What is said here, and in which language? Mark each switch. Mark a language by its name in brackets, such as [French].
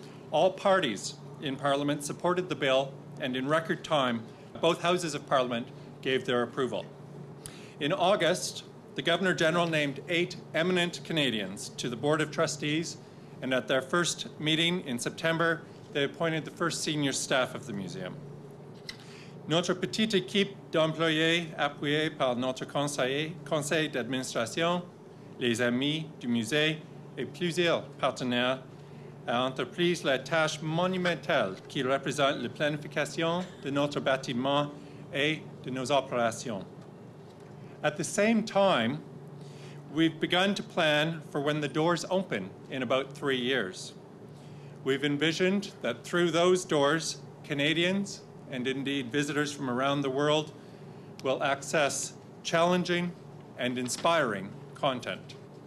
[English] All parties in Parliament supported the bill, and in record time, both Houses of Parliament gave their approval. In August, the Governor General named 8 eminent Canadians to the Board of Trustees. And at their first meeting in September, they appointed the first senior staff of the museum. [French] Notre petite équipe d'employés appuyée par notre conseil d'administration, les amis du musée et plusieurs partenaires a entrepris la tâche monumentale qui représente la planification de notre bâtiment et de nos opérations. [English] At the same time, we've begun to plan for when the doors open in about 3 years. We've envisioned that through those doors, Canadians, and indeed visitors from around the world, will access challenging and inspiring content.